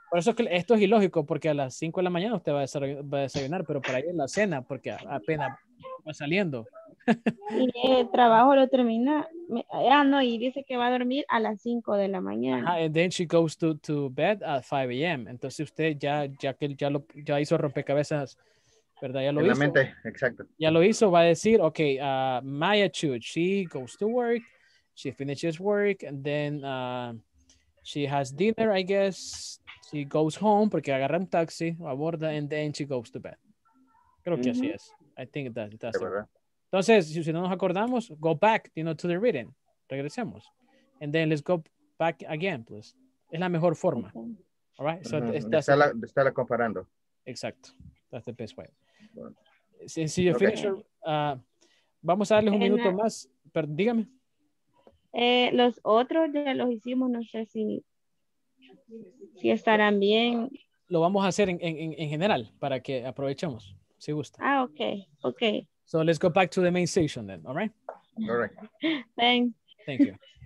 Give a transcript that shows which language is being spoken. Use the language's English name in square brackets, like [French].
[Spanish] Por eso que esto es ilógico, porque a las 5 de la mañana usted va a desayunar, pero para ir en la cena, porque apenas va saliendo. Y el trabajo lo termina, ah, no, y dice que va a dormir a las 5 de la mañana. [English] Ajá, and then she goes to bed at 5 a.m. [Spanish] Entonces usted ya hizo rompecabezas, ¿verdad? Ya lo hizo. Mente, exacto. Ya lo hizo, va a decir, [English] ok, Maya Chu, she goes to work, she finishes work, and then... she has dinner, I guess. She goes home [Spanish] porque agarra un taxi, aborda, [English] and then she goes to bed. [Spanish] Creo que así es. [English] I think that's it. [Spanish] Entonces, si no nos acordamos, [English] go back, you know, to the reading. [Spanish] Regresemos. [English] And then let's go back again, please. [Spanish] Es la mejor forma. [English] All right? [Spanish] So está la comparando. [English] Exacto. That's the best way. [Spanish] Si yo finish, vamos a darles un minuto más. Pero dígame. Los otros ya los hicimos, no sé si estarán bien. Lo vamos a hacer en general para que aprovechemos, si gusta. [English] Ah, okay. So let's go back to the main session then, all right? All right. Thanks. Thank you.